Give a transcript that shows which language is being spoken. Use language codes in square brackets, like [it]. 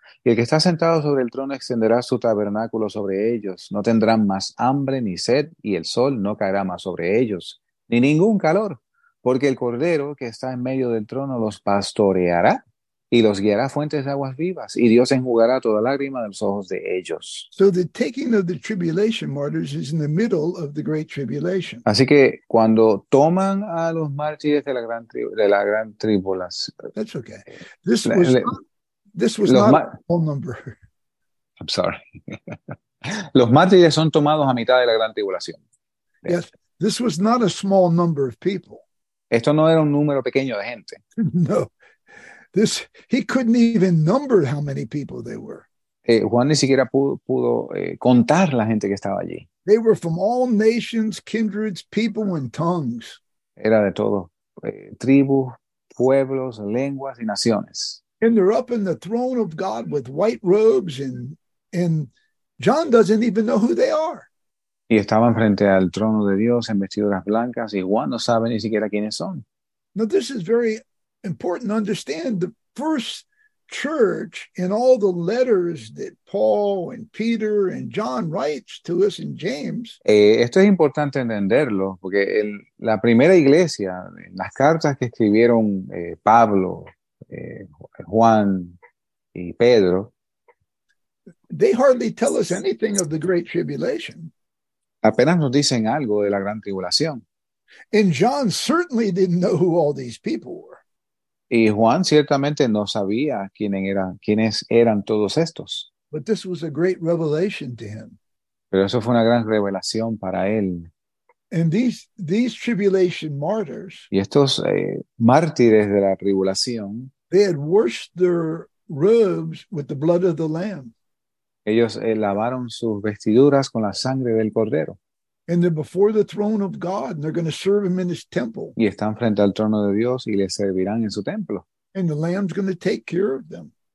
[es] Y el que está sentado sobre el trono extenderá su tabernáculo sobre ellos. No tendrán más hambre ni sed y el sol no caerá más sobre ellos, ni ningún calor, porque el Cordero que está en medio del trono los pastoreará. Y los guiará fuentes de aguas vivas, y Dios enjugará toda lágrima de los ojos de ellos. [en] So the taking of the tribulation martyrs is in the middle of the great tribulation. [es] Así que cuando toman a los mártires de la gran tribulación. [en] That's okay. This was not a whole number. I'm sorry. [es] Los mártires son tomados a mitad de la gran tribulación. [en] Yes, this was not a small number of people. [es] Esto no era un número pequeño de gente. No. [en] This he couldn't even number how many people they were. [es] Juan ni siquiera pudo contar la gente que estaba allí. [en] They were from all nations, kindreds, people, and tongues. [es] Era de todo, tribus, pueblos, lenguas y naciones. [en] And they're up in the throne of God with white robes, and John doesn't even know who they are. [es] Y estaban frente al trono de Dios en vestiduras blancas, y Juan no sabe ni siquiera quiénes son. [en] Now this is very important to understand the first church in all the letters that Paul and Peter and John writes to us in James. [es] Esto es importante entenderlo porque la primera iglesia, en las cartas que escribieron Pablo, Juan y Pedro, [en] they hardly tell us anything of the great tribulation. [es] Apenas nos dicen algo de la gran tribulación. [en] And John certainly didn't know who all these people were. [es] Y Juan ciertamente no sabía quiénes eran todos estos. [en] But this was a great revelation to him. [es] Pero eso fue una gran revelación para él. [en] And these tribulation martyrs, [es] y estos mártires de la tribulación, [en] they had washed their robes with the blood of the Lamb. [es] Ellos lavaron sus vestiduras con la sangre del Cordero. [en] And they're before the throne of God, and they're going to serve him in his temple. [es] Y están frente al trono de Dios y le servirán en su templo. [en] And the Lamb's going to take care of them.